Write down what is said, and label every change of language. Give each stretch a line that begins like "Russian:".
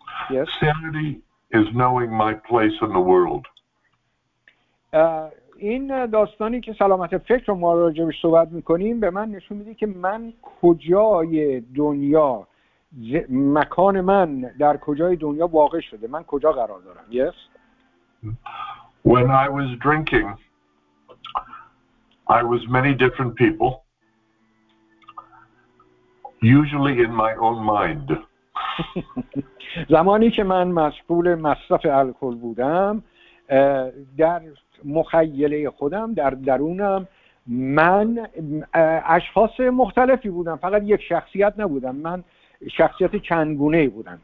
English: Yes? Sanity is knowing my place in the world.
Persian: این داستانی که سلامت فکر رو ما راجع بهش صحبت میکنیم به من نشون میده که من کجای دنیا، مکان من در کجای دنیا واقع شده، من کجا قرار دارم.
English: Yes? When I was drinking, I was many different people, usually in my own mind.
Persian: زمانی که من مشغول مصرف الکل بودم در مخیله خودم، در درونم، من اشخاص مختلفی بودم، فقط یک شخصیت نبودم، من شخصیت چندگونه بودم.